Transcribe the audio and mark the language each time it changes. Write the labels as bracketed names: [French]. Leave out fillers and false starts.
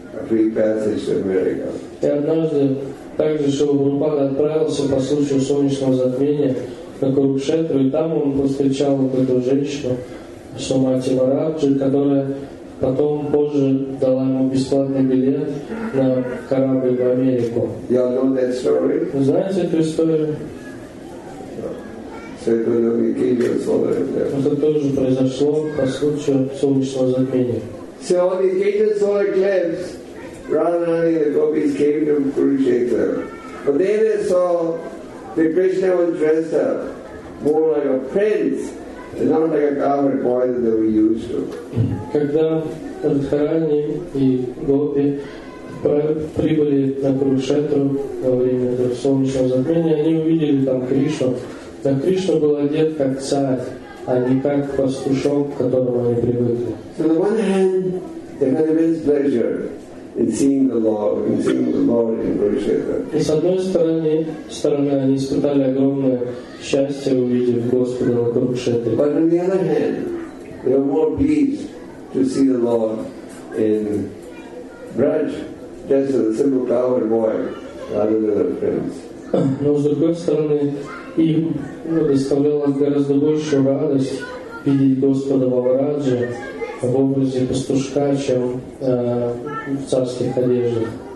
[Russian] И однажды также Шрила Прабхупада отправился по случаю солнечного затмения на Курукшетру, и там он повстречал вот эту женщину, Шумати Марабджи, которая потом позже дала ему бесплатный билет на корабль в Америку. [English] You all know that story? [Russian] Вы знаете эту историю? [English] So it was the occasion of solar eclipse. [Russian] Это тоже произошло по случаю солнечного затмения. [English] So on the occasion of solar eclipse, Radharani and the gopis came to Kurukshetra. But then they saw that Krishna was dressed up more like a prince. It's not like a common boy that they were used to. [Russian] Когда Радхарани и Гопи прибыли на Курукшетру во время этого солнечного затмения, они увидели там Кришну. Но Кришна был одет как царь, а не как пастушок, к которому они привыкли. [English] So on the one hand, they had immense pleasure in seeing the Lord, in seeing the Lord in Kurukshetra. [Russian] И с одной стороны, они испытали огромное счастье, увидев Господа на Курукшетре. [English] But on the other hand, they were more pleased to see the Lord in Braj, just as a simple cowherd boy, rather than a prince. [Russian] Но с другой стороны, им доставляло гораздо большую радость видеть Господа во Врадже в образе пастушка, чем в царских одеждах.